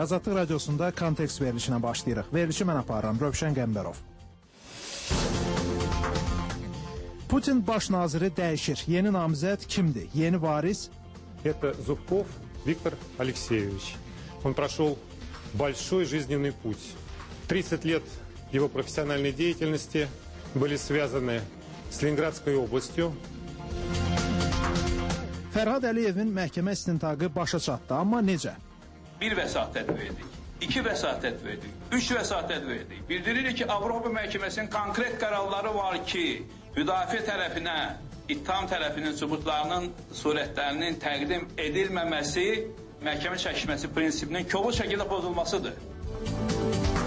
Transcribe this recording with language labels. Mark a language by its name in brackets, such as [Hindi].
[Azerbaijani] Azadlıq Radiosunda kontekst verilişinə başlayırıq. Verilişi mən aparıram, Rövşən Qəmbərov. Putin baş naziri dəyişir. Yeni namizəd kimdir? Yeni varis? [Russian] Это Зубков Виктор Алексеевич. Он прошел большой жизненный путь. 30 лет его профессиональной деятельности были связаны с Ленинградской областью. [Azerbaijani] Fərhad Əliyevin məhkəmə istintaqı başa çatdı, amma necə? Bir vəsatət verdik, iki vəsatət verdik, üç vəsatət verdik. Bildiririk ki, Avropa Məhkəməsinin konkret qərarları var ki, müdafiə tərəfinə, ittiham tərəfinin sübutlarının surətlərinin təqdim edilməməsi məhkəmə çəkişməsi prinsipinin kobud şəkildə pozulmasıdır.